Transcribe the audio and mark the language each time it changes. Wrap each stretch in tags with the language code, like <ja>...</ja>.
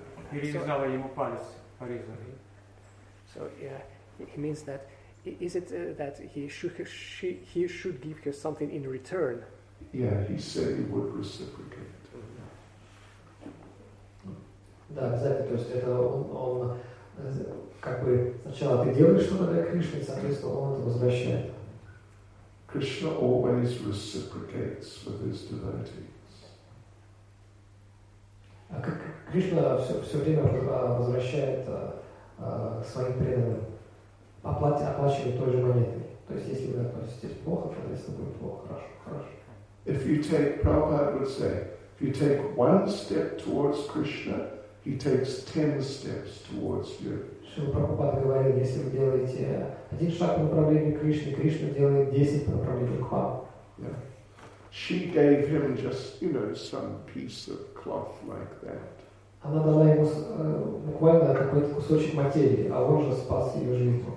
<ru>Перевязала ему палец, порезала.</ru> <en>So yeah, it means that is it that he should give her something in return? Yeah, he said he would reciprocate.</en> <ru>Да, знаете, то есть это он как бы сначала ты делаешь что-то для Кришны, соответственно, он это возвращает.</ru> <en>Krishna always reciprocates with his devotees.</en> <ru>А как Кришна все время возвращает к своим преданным, оплачивают той же монетой. То есть, если вы относитесь плохо, соответственно, будет плохо. Хорошо, хорошо.</ru> <en>If you take, Prabhupada would say, if you take one step towards Krishna, he takes 10 steps towards you.</en> <ru>Шрила Прабхупада говорил, если вы делаете один шаг в направлении Кришны, Кришна делает 10 направлений к вам.</ru> <en>Yeah. She gave him just, you know, some piece of cloth like that.</en> <ru>Она дала ему буквально какой-то кусочек материи, а он же спас ее жизнь.</ru>